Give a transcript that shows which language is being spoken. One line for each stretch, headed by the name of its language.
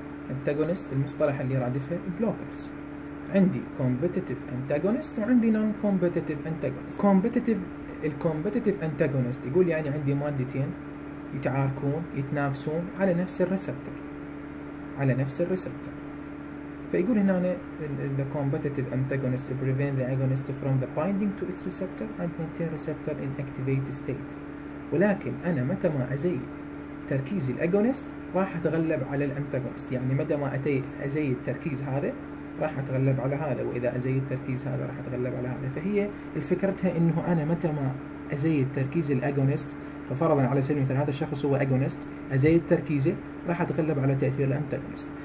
Arabic: انتاجونيست المصطلح اللي يرادفه بلوكرز. عندي كومبتيتيف انتاجونيست وعندي نون كومبتيتيف انتاجونيست. كومبتيتيف الكومبتيتيف انتاجونيست يقول يعني عندي مادتين يتعاركون يتنافسون على نفس الريسبتر، على نفس الريسبتر. فيقول هنا
English: the competitive antagonist prevent the agonist from the binding to its receptor and maintain receptor in activated state.
Arabic: ولكن انا متى ما ازيد تركيز الاجونست راح اتغلب على الانتاجونست، يعني متى ما ازيد تركيز هذا راح اتغلب على هذا، واذا ازيد تركيز هذا راح اتغلب على هذا. فهي الفكرتها انه انا متى ما ازيد تركيز الاجونست، ففرضا على سبيل المثال هذا الشخص هو اجونست، ازيد تركيزه راح اتغلب على تاثير الانتاجونست.